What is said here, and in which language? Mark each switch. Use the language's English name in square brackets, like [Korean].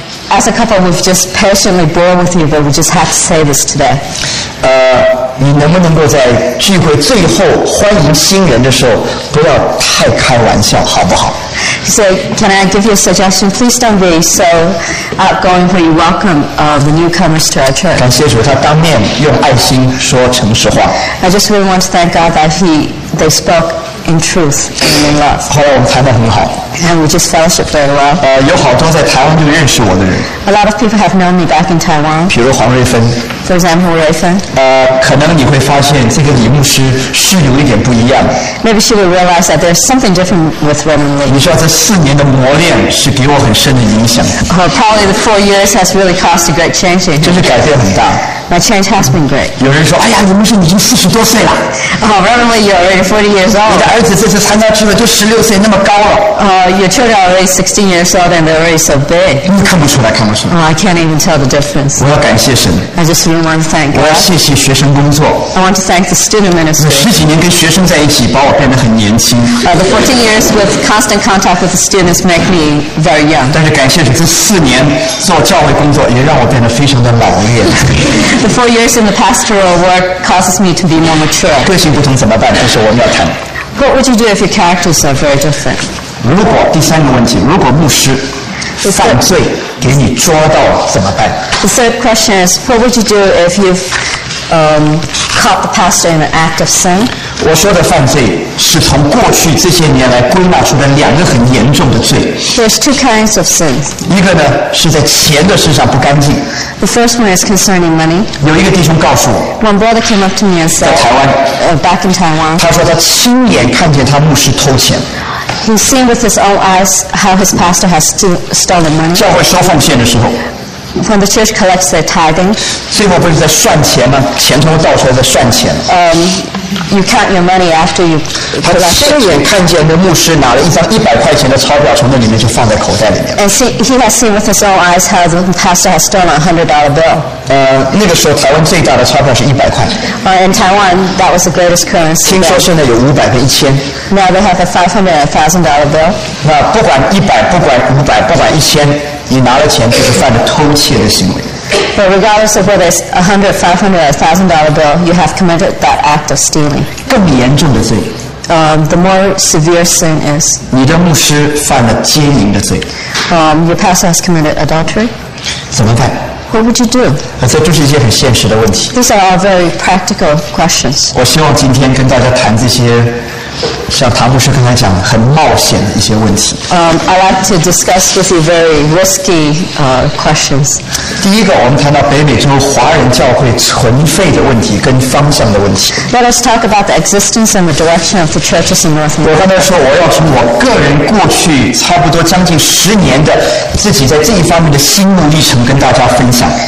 [English] As a couple, we've just patiently borne with you, but we just have to say this today. [Chinese] 你能不能够在聚会最后欢迎新人的时候，不要太开玩笑，好不好？ [English] So, can I give you a suggestion? Please don't be so outgoing when you welcome the newcomers to our church. [Chinese] 感谢主，他当面用爱心说诚实话。 [English] I just really want to thank God that they spoke in truth and in love. [Chinese] 后来我们谈得很好。 [English] And we just fellowship very well. [Chinese] 有好多在台湾就认识我的人。 [English] A lot of people have known me back in Taiwan. [Chinese] 比如黄瑞芬。 [English] For example, 瑞芬。 [Chinese] 可能你会发现这个李牧师是有一点不一样。 [English] Maybe she will realize that there's something different with Reverend Lee. [Chinese] 你知道这四年的磨练是给我很深的影响。 [English] Probably the 4 years has really caused a great change. [Chinese] 就是改变很大。 [English] My change has been great. [Chinese] 有人说，哎呀，李牧师你已经四十多岁了。 [English] Reverend Lee, you're already 40 years old. [Chinese] 你的儿子这次参加聚会就十六岁，那么高了。 [English] Your children are already 16 years old and they're already so big. [Chinese] 你看不出来，看不出来。 [English] I can't even tell the difference. [Chinese] 我要感谢神。 [English] I just really want to thank God. [Chinese] 我要谢谢学生工作。 [English] I want to thank the student ministry. [Chinese] 十几年跟学生在一起，把我变得很年轻。 [English] The 14 years with constant contact with the students make me very young. [Chinese] 但是感谢主，这四年做教会工作也让我变得非常的老练。 [English] The 4 years in the pastoral work causes me to be more mature. [Chinese] 个性不同怎么办？这是我们要谈。 [English] What would you do if your characters are very different? [Chinese] 如果第三个问题，如果牧师犯罪给你抓到怎么办 [English] ？The third question is, what would you do if you've caught the pastor in an act of sin? [Chinese] 我说的犯罪是从过去这些年来归纳出的两个很严重的罪。 [English] There's two kinds of sins. [Chinese] 一个呢是在钱的身上不干净。 [English] The first one is concerning money. [Chinese] 有一个弟兄告诉我 [English] ，One brother came up to me and said, [Chinese] 在台湾 [English] ，back in Taiwan. [Chinese] 他说他亲眼看见他牧师偷钱。 [English] He's seen with his own eyes how his pastor has stolen money. [Chinese] 教会收奉献的时候 [English] ，When the church collects their tithing, [Chinese] 最后不是在算钱吗？钱从倒出来在算钱。 [English] You count your money after you collect. [Chinese] 他亲眼看见那牧师拿了一张100块钱的钞票，从那里面就放在口袋里面。 [English] And he has seen with his own eyes how the pastor has stolen $100 bill. [Chinese] 那个时候台湾最大的钞票是100块。 [English] In Taiwan, that was the greatest currency. [Chinese] 听说现在有500跟1000。 [English] Now they have a $500 and $1,000 bill. [Chinese] 那不管100，不管500，不管1000，你拿了钱就是犯了偷窃的行为。 [English] But regardless of whether it's $100, $500, or $1,000 bill, you have committed that act of stealing. [Chinese] 更严重的罪。 [English] The more severe sin is. [Chinese] 你的牧师犯了奸淫的罪。 [English] Your pastor has committed adultery. [Chinese] 怎么办？ [English] What would you do? [Chinese] 这就是一些很现实的问题。 [English] These are all very practical questions. [Chinese] 我希望今天跟大家谈这些，像唐牧师刚才讲的，很冒险的一些问题。 [English] I like to discuss with you very risky questions. [Chinese] 第一个，我们谈到北美洲华人教会存废的问题跟方向的问题。 [English] Let us talk about the existence and the direction of the churches in North America. [Chinese] 我刚才说，我要从我个人过去差不多将近10年的自己在这一方面的心路历程跟大家分享。